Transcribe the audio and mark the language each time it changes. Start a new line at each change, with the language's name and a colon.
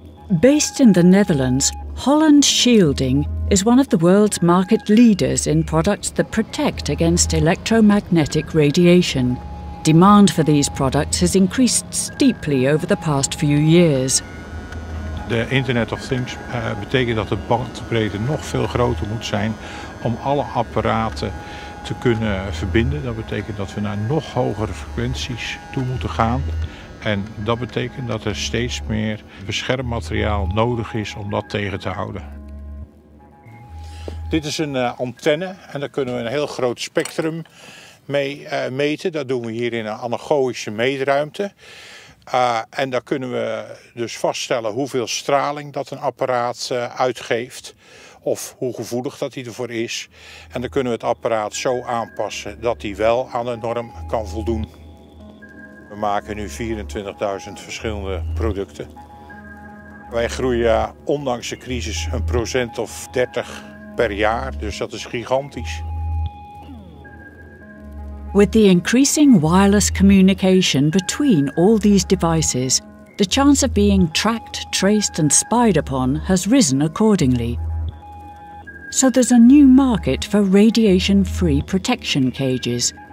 English: Based in the Netherlands, Holland Shielding is one of the world's market leaders in products that protect against electromagnetic radiation. Demand for these products has increased steeply over the past few years.
Dutch: The Internet of Things betekent dat de bandbreedte nog veel groter moet zijn om alle apparaten te kunnen verbinden. Dat betekent dat we naar nog hogere frequenties toe moeten gaan. En dat betekent dat er steeds meer beschermmateriaal nodig is om dat tegen te houden. Dit is een antenne en daar kunnen we een heel groot spectrum mee meten. Dat doen we hier in een anechoïsche meetruimte. En daar kunnen we dus vaststellen hoeveel straling dat een apparaat uitgeeft. Of hoe gevoelig dat hij ervoor is. En dan kunnen we het apparaat zo aanpassen dat hij wel aan de norm kan voldoen. We maken nu 24.000 verschillende producten. Wij groeien ondanks de crisis een procent of 30 per jaar, dus dat is gigantisch.
English: With the increasing wireless communication between all these devices, the chance of being tracked, traced and spied upon has risen accordingly. So there's a new market for radiation-free protection cages.